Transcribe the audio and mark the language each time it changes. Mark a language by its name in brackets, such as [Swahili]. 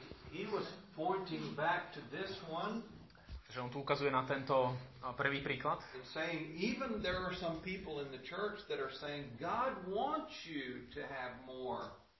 [English] He was pointing back to this one. [Slovak] Že on tu ukazuje na tento prvý príklad. [English] Saying even there are some people in the church that are saying God wants you to have more.